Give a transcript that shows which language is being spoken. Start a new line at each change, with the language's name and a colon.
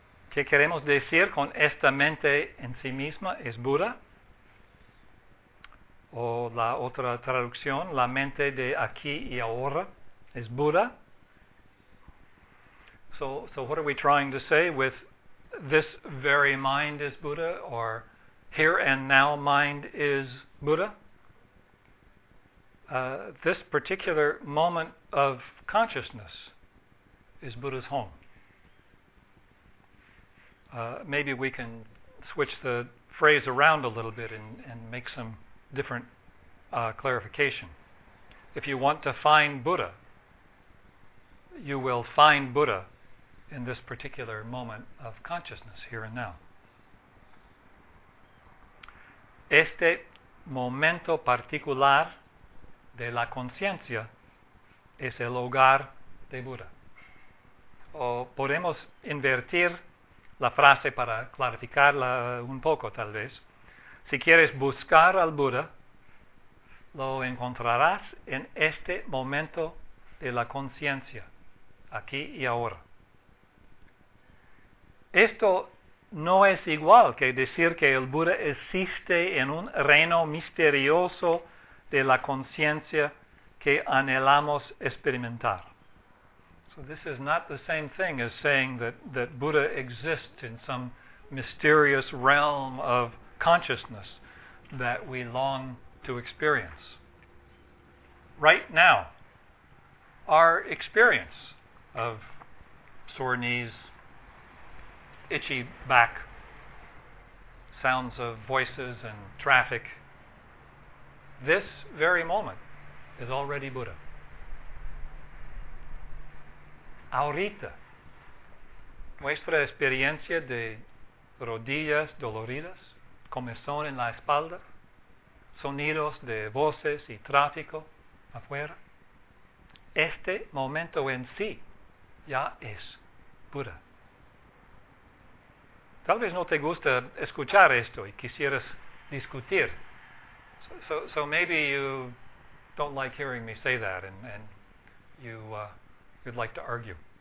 Spanish: ¿Qué queremos decir con esta mente en sí misma es Buda? O la otra traducción, la mente de aquí y ahora es Buda.
English: So what are we trying to say with this very mind is Buddha, or here and now mind is Buddha? This particular moment of consciousness is Buddha's home. Maybe we can switch the phrase around a little bit and make some different clarification. If you want to find Buddha, you will find Buddha in this particular moment of consciousness here and now.
Spanish: Este momento particular de la conciencia es el hogar de Buddha. O podemos invertir la frase para clarificarla un poco, tal vez. Si quieres buscar al Buda, lo encontrarás en este momento de la conciencia, aquí y ahora. Esto no es igual que decir que el Buda existe en un reino misterioso de la conciencia que anhelamos experimentar.
English: So this is not the same thing as saying that Buddha exists in some mysterious realm of consciousness that we long to experience. Right now, our experience of sore knees, itchy back, sounds of voices and traffic, this very moment is already Buddha.
Spanish: Ahorita, nuestra experiencia de rodillas doloridas, comezón en la espalda, sonidos de voces y tráfico afuera, este momento en sí ya es Buda. Tal vez no te gusta escuchar esto y quisieras discutir.
English: So maybe you don't like hearing me say that and you'd like to argue.